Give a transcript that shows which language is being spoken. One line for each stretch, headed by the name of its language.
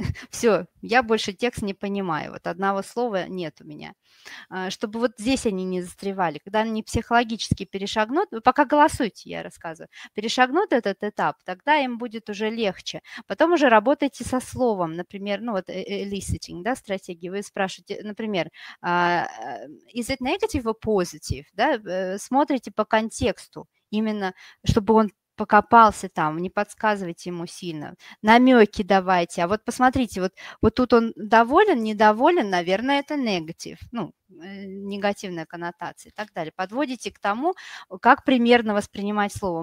Russian: Все, я больше текст не понимаю. Вот одного слова нет у меня. Чтобы вот здесь они не застревали. Когда они психологически перешагнут, вы пока голосуйте, я рассказываю, перешагнут этот этап, тогда им будет уже легче. Потом уже работайте со словом. Например, ну вот eliciting, да, стратегии. Вы спрашиваете, например,
English: is it negative or positive?
Russian: Да, смотрите по контексту, именно чтобы он покопался там, не подсказывайте ему сильно, намеки давайте, а вот посмотрите, вот тут он доволен, недоволен, наверное, это негатив, ну, негативная коннотация и так далее. Подводите к тому, как примерно воспринимать слово.